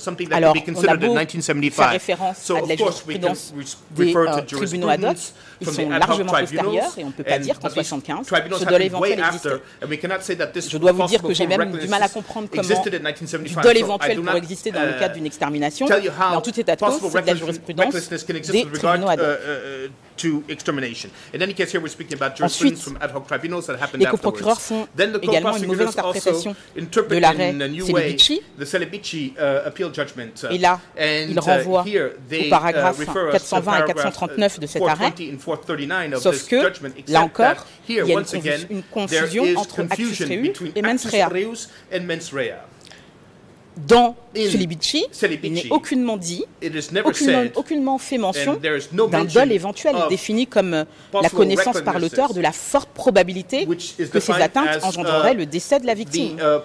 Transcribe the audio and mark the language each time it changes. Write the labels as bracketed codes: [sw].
[fr] Alors, on a beau faire référence à de la jurisprudence des tribunaux ad hoc, ils sont largement postérieurs et on ne peut pas dire qu'en 1975, ce dol éventuel existait. Je dois vous dire que j'ai même du mal à comprendre comment du dol éventuel pourrait exister dans le cadre d'une extermination, mais en tout état de cause, c'est de la jurisprudence des tribunaux ad hoc. [en] To extermination. In any case, here we're speaking about jurisprudence from ad hoc tribunals that happened afterwards. Then the co-prosecutors also interpret in a new way the Celibici appeal judgment. [fr] Et là, il renvoie au paragraphe 420 et 439 de cet arrêt. Sauf que, là encore, il y a une confusion entre actus reus et mens rea. Dans Celibici, il n'est aucunement dit, aucunement fait mention d'un dol éventuel défini comme la connaissance par l'auteur de la forte probabilité que ces atteintes engendreraient le décès de la victime.